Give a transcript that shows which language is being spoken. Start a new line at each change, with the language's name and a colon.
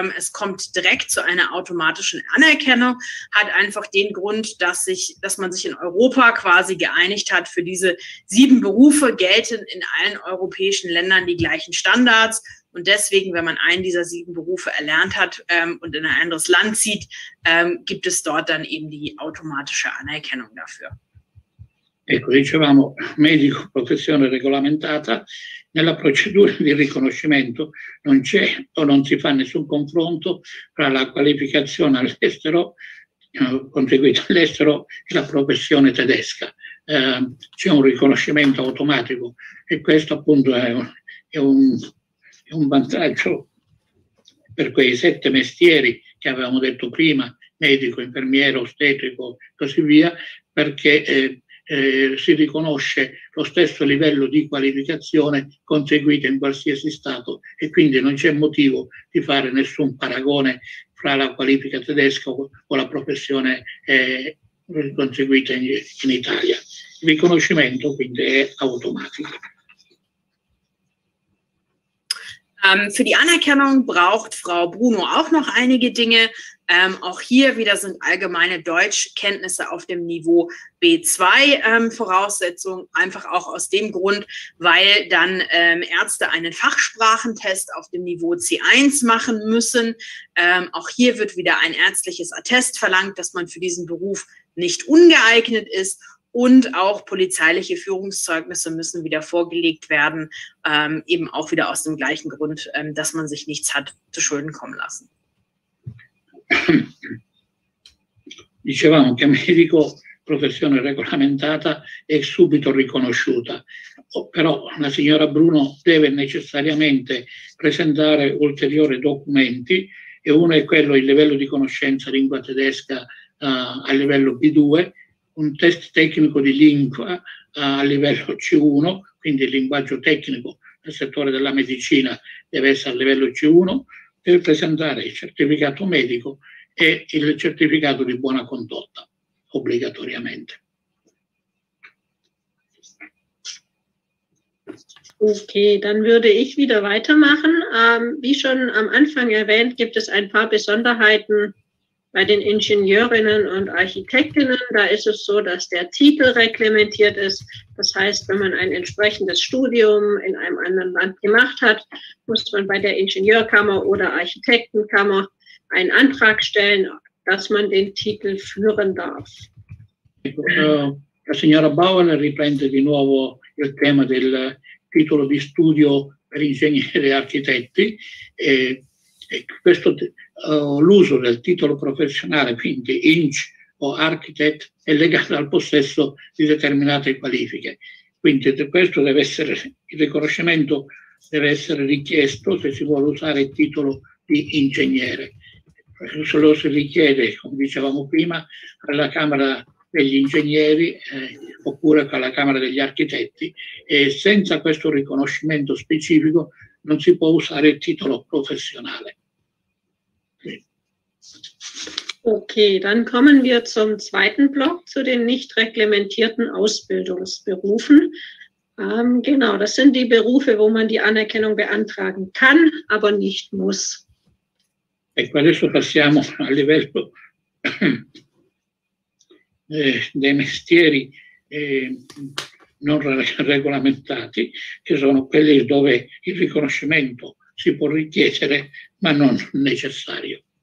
German: Es kommt direkt zu einer automatischen Anerkennung, hat einfach den Grund, dass man sich in Europa quasi geeinigt hat, für diese 7 Berufe gelten in allen europäischen Ländern die gleichen Standards. Und deswegen, wenn man einen dieser 7 Berufe erlernt hat und in ein anderes Land zieht, gibt es dort dann eben die automatische Anerkennung dafür.
Italian: Ecco, dicevamo, medico, professione regolamentata, nella procedura di riconoscimento non c'è o non si fa nessun confronto tra la qualificazione all'estero, conseguita all'estero, e la professione tedesca. C'è un riconoscimento automatico e questo appunto è un vantaggio per quei 7 mestieri che avevamo detto prima, medico, infermiere, ostetrico e così via, perché si riconosce lo stesso livello di qualificazione conseguito in qualsiasi stato e quindi non c'è motivo di fare nessun paragone fra la qualifica tedesca o la professione conseguita in Italia. Il riconoscimento quindi è automatico.
German: Für die Anerkennung braucht Frau Bruno auch noch einige Dinge. Auch hier wieder sind allgemeine Deutschkenntnisse auf dem Niveau B2 Voraussetzung. Einfach auch aus dem Grund, weil dann Ärzte einen Fachsprachentest auf dem Niveau C1 machen müssen. Auch hier wird wieder ein ärztliches Attest verlangt, dass man für diesen Beruf nicht ungeeignet ist. Und auch polizeiliche Führungszeugnisse müssen wieder vorgelegt werden, eben auch wieder aus dem gleichen Grund, dass man sich nichts hat zu Schulden kommen lassen.
Italian: Dicevamo che medico, professione regolamentata, è subito riconosciuta. Però la signora Bruno deve necessariamente presentare ulteriori documenti e uno è quello il livello di conoscenza lingua tedesca a livello B2, un test tecnico di lingua a livello C1, quindi il linguaggio tecnico nel settore della medicina deve essere a livello C1, deve presentare il certificato medico e il certificato di buona condotta, obbligatoriamente.
German: Ok, dann würde ich wieder weitermachen. Wie schon am Anfang erwähnt, gibt es ein paar Besonderheiten. Bei den Ingenieurinnen und Architektinnen, da ist es so, dass der Titel reglementiert ist. Das heißt, wenn man ein entsprechendes Studium in einem anderen Land gemacht hat, muss man bei der Ingenieurkammer oder Architektenkammer einen Antrag stellen, dass man den Titel führen darf.
Italian: La signora Bauer riprende di nuovo il tema del titolo di studio per ingegneri e architetti, e questo l'uso del titolo professionale, quindi INC o architect, è legato al possesso di determinate qualifiche. Quindi questo deve essere, il riconoscimento deve essere richiesto se si vuole usare il titolo di ingegnere. Se lo si richiede, come dicevamo prima, alla Camera degli Ingegneri oppure alla Camera degli Architetti, e senza questo riconoscimento specifico non si può usare il titolo professionale.
German: Okay, dann kommen wir zum zweiten Block, zu den nicht reglementierten Ausbildungsberufen. Genau, das sind die Berufe, wo man die Anerkennung beantragen kann, aber nicht muss.
Italian: Ecco, adesso passiamo al livello dei mestieri non regolamentati, che sono quelli dove il riconoscimento si può richiedere, ma non necessario.